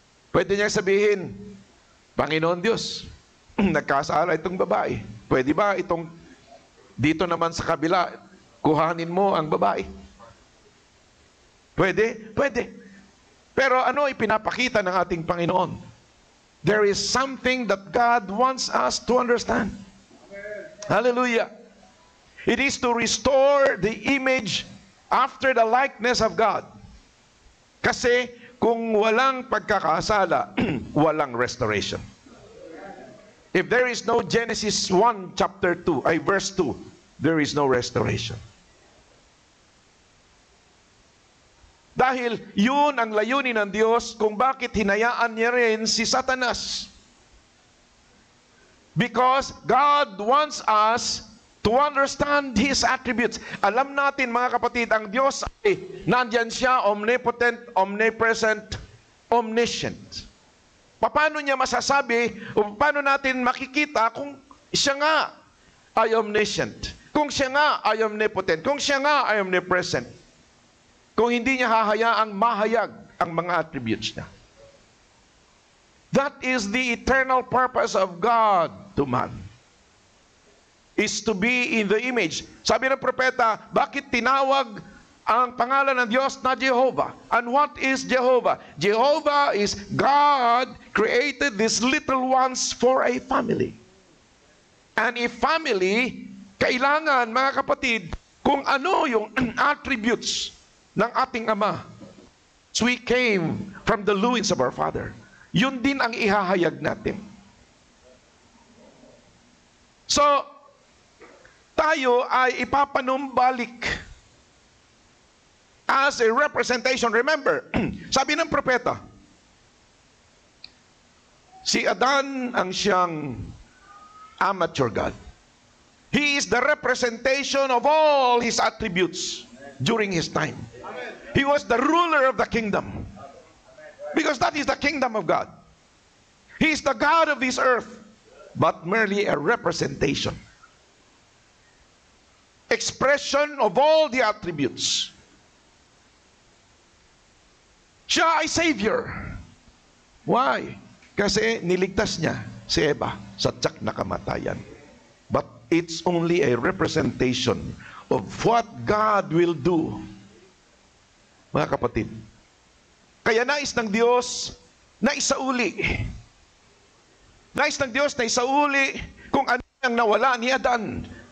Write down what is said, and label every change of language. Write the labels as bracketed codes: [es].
[tl] Pwede niya sabihin, Panginoon Diyos, nagkasala itong babae. Pwede ba itong dito naman sa kabila, kuhanin mo ang babae? Pwede? Pwede. Pero ano ipinapakita ng ating Panginoon? [en] There is something that God wants us to understand. Hallelujah. It is to restore the image after the likeness of God. [tl] Kasi kung walang pagkakasala, walang restoration. [en] If there is no Genesis 1 chapter 2, ay verse 2, there is no restoration. [tl] Dahil yun ang layunin ng Diyos kung bakit hinayaan niya rin si Satanas. [en] Because God wants us to understand His attributes. [tl] Alam natin mga kapatid, ang Diyos ay nandyan siya, omnipotent, omnipresent, omniscient. Paano niya masasabi o paano natin makikita kung siya nga ay omniscient? Kung siya nga ay omnipotent? Kung siya nga ay omnipresent? Kung hindi niya hahayaang mahayag ang mga attributes niya? [en] That is the eternal purpose of God to man. Is to be in the image. [tl] Sabi ng propeta, bakit tinawag ang pangalan ng Diyos na Jehovah? [en] And what is Jehovah? Jehovah is God created these little ones for a family. [tl] And a family, kailangan, mga kapatid, kung ano yung attributes ng ating ama. [en] So we came from the loins of our father. [tl] Yun din ang ihahayag natin. So, tayo ay ipapanumbalik [en] as a representation. [tl] Remember, sabi ng propeta, si Adan ang siyang amateur God. [en] He is the representation of all his attributes during his time. He was the ruler of the kingdom. Because that is the kingdom of God. He is the God of this earth, but merely a representation. Expression of all the attributes. [tl] Siya ay Savior. Why? Kasi niligtas niya si Eva sa tiyak na kamatayan. [en] But it's only a representation of what God will do. [tl] Mga kapatid, kaya nais ng Diyos na isauli. Nais ng Diyos na isauli kung ano ang nawala ni Adan.